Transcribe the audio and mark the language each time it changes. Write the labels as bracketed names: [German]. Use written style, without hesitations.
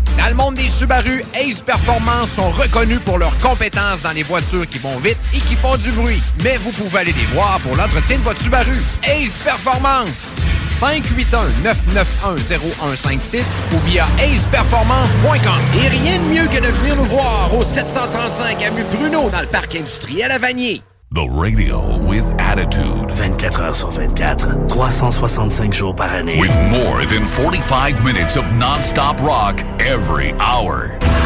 [French] Dans le monde des Subaru, Ace Performance sont reconnus pour leurs compétences dans les voitures qui vont vite et qui font du bruit. Mais vous pouvez aller les voir pour l'entretien de votre Subaru. Ace Performance. 581-991-0156 ou via aceperformance.com. Et rien de mieux que de venir nous voir au 735 Avenue Bruno dans le parc industriel à Vanier. [English] The Radio with Attitude. [French] 24 heures sur 24, 365 jours par année. [English] With more than 45 minutes of non-stop rock every hour.